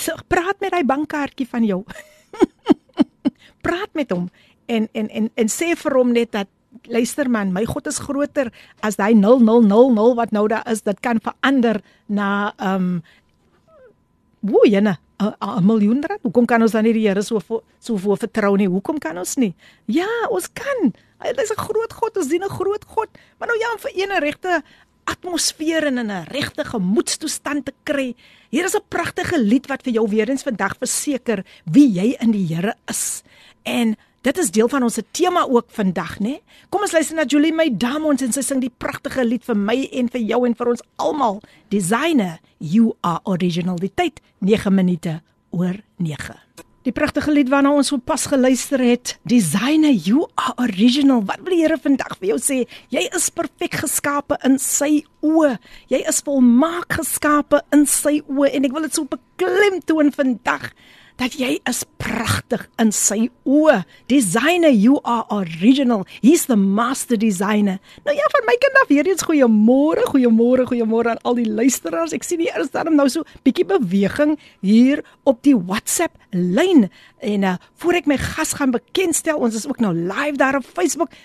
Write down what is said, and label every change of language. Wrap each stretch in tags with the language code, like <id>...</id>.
<af>Praat met hy bankkaartjie van jou. Praat met hom en sê vir hom net dat, luister man, my God is groter as hy 0000 wat nou daar is. Dit kan verander na 'n miljoen rand. Hoekom kan ons dan nie die Here so voor vertrou nie? Hoekom kan ons nie? Ja, ons kan. Hy is 'n groot God, ons dien 'n groot God. Maar nou ja, om vir een regte atmosfeer en in 'n regte gemoedstoestand te kry. Hier is 'n pragtige lied wat vir jou weer eens vandag verseker wie jy in die Here is. En dit is deel van ons tema ook vandag, né? Kom ons luister na Julie My Diamonds en sy sing die pragtige lied vir my en vir jou en vir ons almal.</af> <en>Designer, you are original.</en> <af>Die tyd, 9 minute oor 9. Die pragtige lied waarna ons so pas geluister het, Designer, you are original. Wat wil die Here vandag vir jou sê? Jy is perfek geskape in sy oë. Jy is volmaak geskape in sy oë en ek wil dit so beklemtoon vandag. dat jy is pragtig in sy oë.</af> <en>Designer, you are original. He's the master designer.</en> <af>Nou ja, van my kind af hier eens goeiemôre aan al die luisteraars. Ek sien hier is daarom nou so bietjie beweging hier op die WhatsApp lyn. En voor ek my gas gaan bekendstel, ons is ook nou live daar op Facebook.</af>